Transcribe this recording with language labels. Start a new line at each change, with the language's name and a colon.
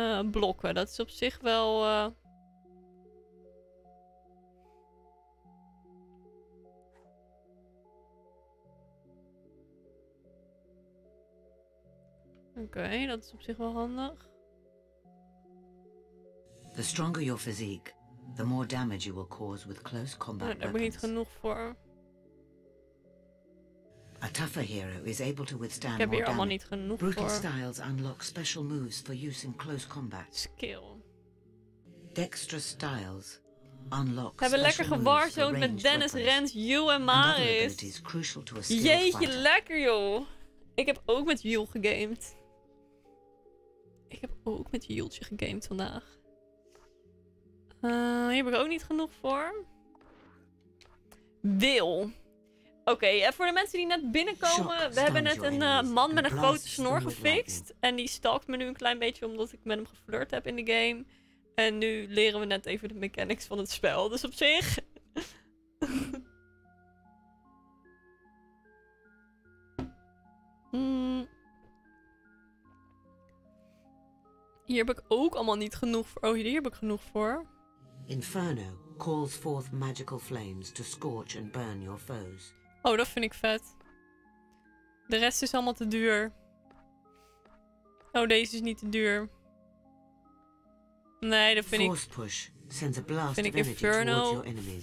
Dutch: Blokken, dat is op zich wel. Oké, dat is op zich wel handig.
English: The stronger your physique. The more damage you will cause with close combat weapons.
Dutch: Daar heb ik niet genoeg voor.
English: A tougher hero is able to withstand more damage.
Dutch: Niet genoeg
English: brutal
Dutch: voor.
English: Styles unlock special moves for use in close combat. Skill. Dextrous styles unlock.
Dutch: We hebben lekker gewarzoond met Dennis, Rens, Yul en Maris. Jeetje,
English: fighter.
Dutch: Lekker joh. Ik heb ook met Yul gegamed. Ik heb ook met Yultje gegamed vandaag. Hier heb ik ook niet genoeg voor. Wil. Oké, voor de mensen die net binnenkomen. Shock, we hebben net een man met een grote snor gefixt. En die stalkt me nu een klein beetje omdat ik met hem geflirt heb in de game. En nu leren we net even de mechanics van het spel. Dus op zich... Hier heb ik ook allemaal niet genoeg voor. Oh, hier heb ik genoeg voor.
English: Inferno calls forth magical flames to scorch and burn your foes.
Dutch: Oh, dat vind ik vet. De rest is allemaal te duur. Oh, deze is niet te duur. Nee, dat vind ik.
English: Force push sends a blast of energy towards your enemies.